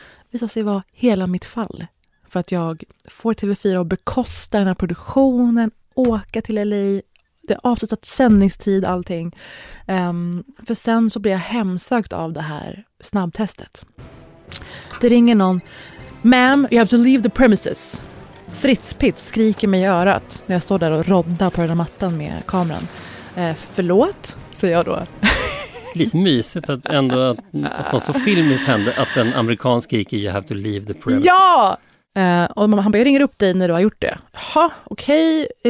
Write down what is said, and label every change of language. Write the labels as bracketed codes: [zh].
[sv] Visa sig vara hela mitt fall. För att jag får TV4 att bekosta den här produktionen. Åka till LA. Det är avslutat sändningstid, allting. För sen så blir jag hemsökt av det här snabbtestet. Det ringer någon. [en] Ma'am, you have to leave the premises. [sv] Stridspitt skriker mig i örat när jag står där och roddar på den här mattan med kameran. Förlåt, säger jag då. Lite mysigt att ändå att något så filmiskt hände att en amerikan skriker [en] you have to leave the premises. [sv] Ja! Och han bara, jag ringer upp dig när du har gjort det. Ja, okej, okay.